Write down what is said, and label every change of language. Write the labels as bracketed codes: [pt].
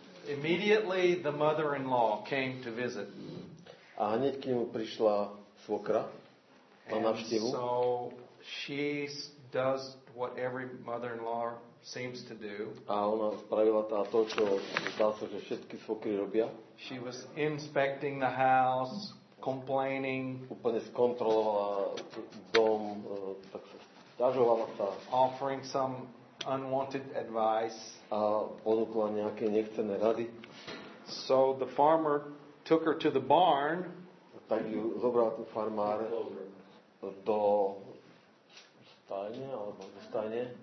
[en] Immediately the mother-in-law came to visit. [sk] A hneď k nemu prišla svokra na návštevu. [en] So she does what every mother-in-law seems to do. [sk] A ona spravila to, čo zdá sa, že všetky svokry robia. [en] She was inspecting the house, complaining. [sk] Úplne skontrolovala dom, tak sa sťažovala sa. [en] Offering some unwanted advice. [sk] A ponúkla nejaké nechcené rady. [en] So the farmer took her to the barn. [sk] Tak ju zobral ten farmár do stajne, alebo do stajne.